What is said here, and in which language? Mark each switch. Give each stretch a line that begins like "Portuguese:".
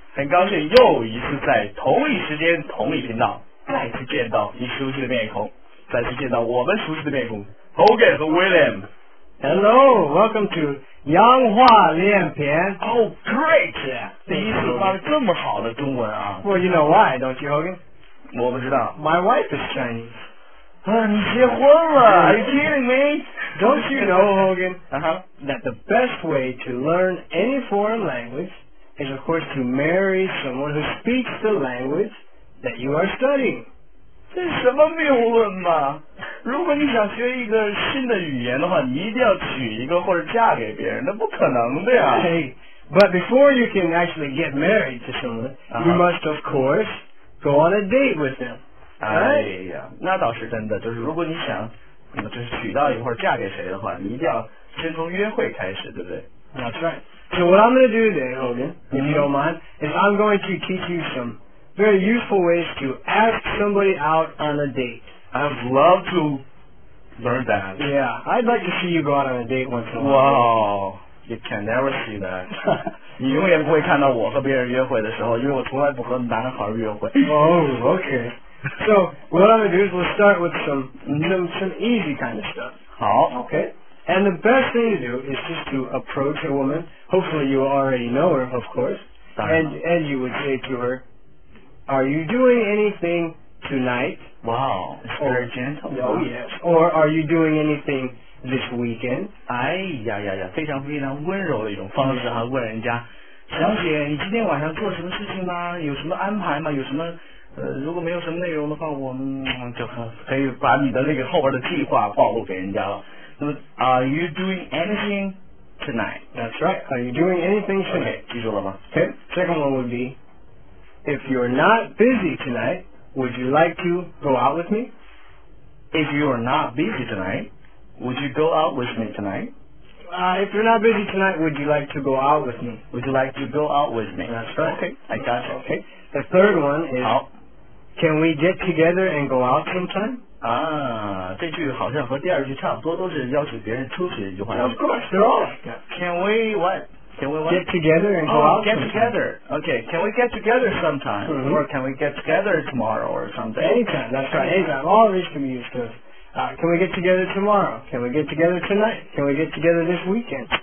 Chinese: 高兴又一次在同一时间同一频道再次见到你熟悉的面孔，再次见到我们熟悉的面孔 Hogan 和 William。
English: Hello, welcome to 洋话连篇。 Oh great,
Chinese: 第一次发的这么好的中文啊。
English: Well, you know why, don't you, Hogan?
Chinese: 我不知道。
English: My wife is Chinese.
Chinese: 啊，你结婚了。
English: Are you kidding me? Don't you know, Hogan, that the best way to learn any foreign language is of course to marry someone who speaks the language that you are studying.
Chinese: 这是什么谬论吗？如果你想学一个新的语言的话，你一定要娶一个或者嫁给别人，那不可能的呀。
English: Hey, but before you can actually get married to someone, you must of course go on a date with them.
Chinese: 哎呀，那倒是真的，就是如果你想就是娶到一会儿嫁给谁的话，你一定要先从约会开始，对不对？
English: That's right. So what I'm going to do today, Hogan, if you don't mind, is I'm going to teach you some very useful ways to ask somebody out on a date. I'd love to learn that. Yeah, I'd like to see you go out on a date once in a while. Wow, you can never see that.
Chinese: 你永远不会看到我和别人约会的时候，因为我从来不和男孩约会。
English: Oh, okay. So, what I'm going to do is we'll start with some easy kind of stuff.
Chinese: 好
English: Okay. And the best thing to do is just to approach a woman. Hopefully you already know her, of course. And you would say to her, are you doing anything tonight? Wow, it's very gentle. Oh, yes. Or are you doing anything this weekend?
Chinese: 哎呀呀呀，非常非常温柔的一种方式啊，问人家，小姐，你今天晚上做什么事情吗？有什么安排吗？有什么如果没有什么内容的话，我们就可以把你的那个后边的计划暴露给人家了。那么
English: ，Are you doing anything tonight? That's right. Are you doing anything tonight?
Chinese: Okay, 记住了吗
English: ？Okay. Second one would be, if you're not busy tonight, would you like to go out with me? If you're not busy tonight, would you go out with me tonight? If you're not busy tonight, would you like to go out with me? Would you like to go out with me? That's right. Okay, I got you. Okay. The third one is.
Chinese: 好
English: Can we get together and go out sometime?
Chinese: 啊，这句好像和第二句差不多，都是要求别人出去的一句话。
English: Of course, they're all like that. Can we what? Get together and go out sometime. Together. Okay, can we get together sometime? Or can we get together tomorrow or something? Anytime, that's right. Anytime. All of these can be used to. Can we get together tomorrow? Can we get together tonight? Can we get together this weekend?